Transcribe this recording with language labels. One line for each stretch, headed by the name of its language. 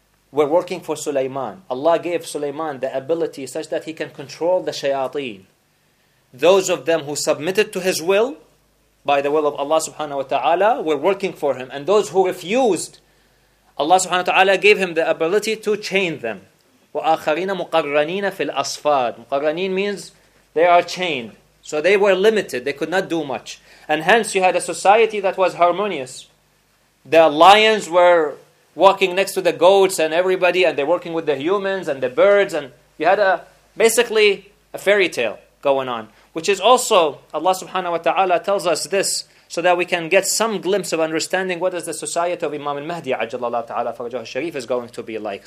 English: We're working for Sulaiman. Allah gave Sulaiman the ability such that he can control the shayateen. Those of them who submitted to his will, by the will of Allah subhanahu wa ta'ala, were working for him. And those who refused, Allah subhanahu wa ta'ala gave him the ability to chain them.
Arabic: وَآخَرِينَ مُقَرَّنِينَ فِي الْأَصْفَادِ مُقَرَّنِينَ
English: means they are chained. So they were limited. They could not do much. And hence you had a society that was harmonious. The lions were walking next to the goats and everybody, and they're working with the humans and the birds, and you had basically a fairy tale going on. Which is also, Allah subhanahu wa ta'ala tells us this so that we can get some glimpse of understanding what is the society of Imam al-Mahdi, ajallallahu ta'ala farajahu sharif, is going to be like.